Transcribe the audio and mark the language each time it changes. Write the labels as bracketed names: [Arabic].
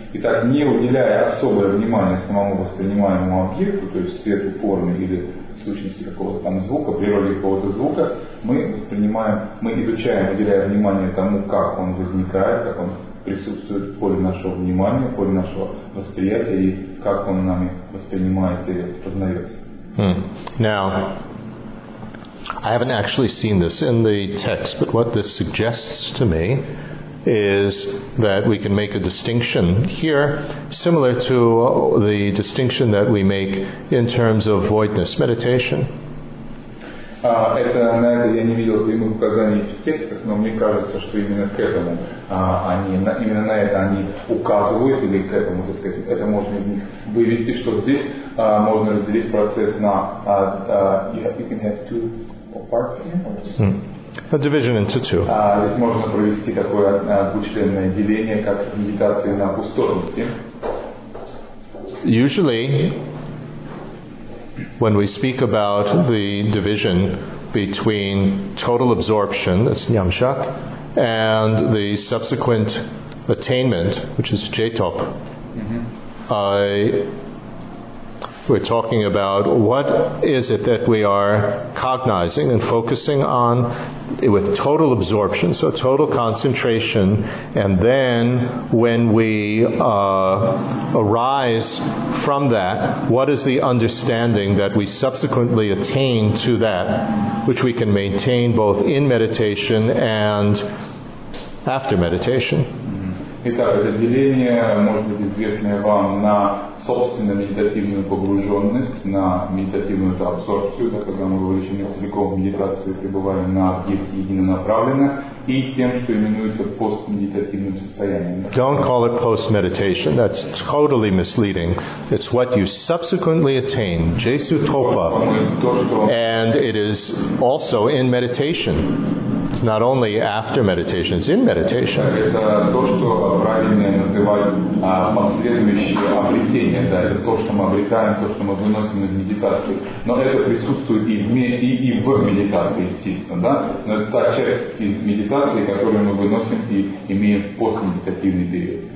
[Russian] Итак, не уделяя особое внимание самому воспринимаемому объекту, то есть свету, форме или сущности какого-то там звука, природе какого-то звука, мы изучаем, уделяя внимание тому, как он возникает, как он присутствует в поле нашего внимания, в поле нашего восприятия, и как он нами воспринимается и познается. [English] Now, I haven't actually seen this in the text, but what this suggests to me is that we can make a distinction here, similar to the distinction that we make in terms of voidness meditation. [Russian] На это я не видел прямых указаний в текстах, но мне кажется, что именно к этому именно на это они указывают, или к этому, так сказать, это можно из них вывести, что здесь можно разделить процесс на [English] you can have two parts here. A division into two. [Russian] Здесь можно провести такое двухчленное деление, как медитация на пустотности. [English] Usually, when we speak about the division between total absorption, that's nyamshak, and the subsequent attainment, which is jetop, we're talking about what is it that we are cognizing and focusing on with total absorption, so total concentration, and then when we arise from that, what is the understanding that we subsequently attain to that, which we can maintain both in meditation and after meditation. [Russian] Итак, это деление, может быть, известное вам на собственную медитативную погруженность, на медитативную абсорбцию, да, когда мы вовлечены целиком в медитацию и пребываем на объекте единонаправленно, и тем, что именуется постмедитативным состоянием. [English] Don't call it post-meditation. That's totally misleading. It's what you subsequently attain, jesu topa, and it is also in meditation. It's not only after meditation, it's in meditation. [Russian] Это то, что правильно называть последующее обретение, да, это то, что мы обретаем, то, что мы выносим из медитации. Но это присутствует и в медитации, естественно, да? Но это та часть из медитации, которую мы выносим и имеем в постмедитативный период.